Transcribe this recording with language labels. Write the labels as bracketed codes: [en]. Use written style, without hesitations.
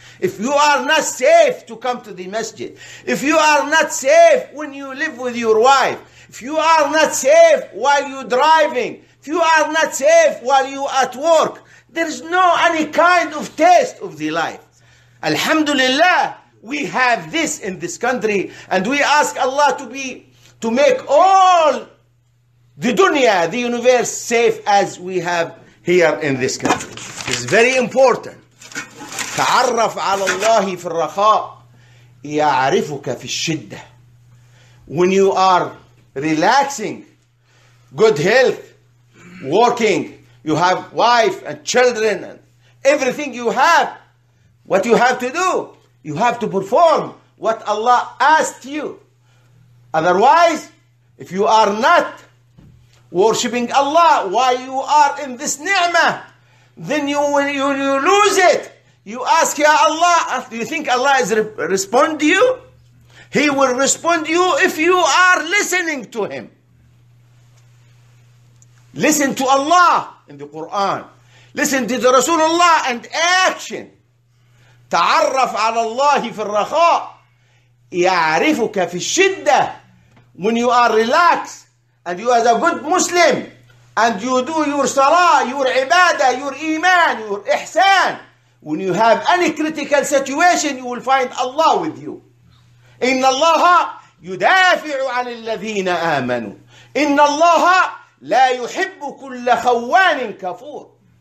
[en] If you are not safe to come to the masjid, if you are not safe when you live with your wife, if you are not safe while you're driving, if you are not safe while you at work, there is no any kind of test of the life. Alhamdulillah, we have this in this country, and we ask Allah to make all the dunya, the universe, safe as we have here in this country. It's very important. [ar] تعرف على الله في الرخاء يعرفك في الشدة. [en] When you are relaxing, good health, working, you have wife and children and everything you have, what you have to do, you have to perform what Allah asked you. Otherwise, if you are not worshipping Allah while you are in this ni'mah, then you lose it. You ask, Ya Allah, you think Allah is respond to you? He will respond to you if you are listening to Him. Listen to Allah in the Quran. Listen to the Rasulullah and action. [ar] تعرف على الله في الرخاء يعرفك في الشدة. [en] When you are relaxed and you are a good Muslim and you do your salah, your ibadah, your iman, your ihsan, when you have any critical situation, you will find Allah with you. [ar] إن الله يدافع عن الذين آمنوا إن الله لا يحب كل خوان كفور.